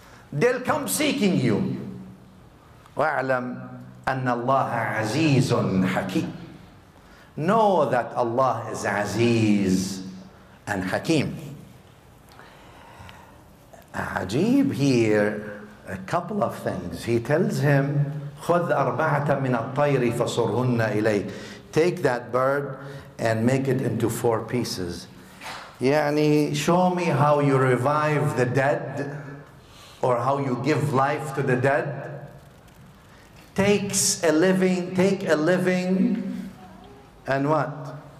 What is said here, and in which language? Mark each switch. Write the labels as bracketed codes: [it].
[en] They'll come seeking you. [ar] وَاعْلَمْ أَنَّ اللَّهَ عَزِيزٌ حَكِيمٌ. [en] Know that Allah is Aziz and Hakim. Ajib here, a couple of things. He tells him, [ar] خُذْ أَرْبَعَةً مِنَ الطَّيْرِ فَصُرْهُنَّ إِلَيْهِ. [en] Take that bird and make it into four pieces. [ar] يعني [en] show me how you revive the dead or how you give life to the dead. Take a living and what?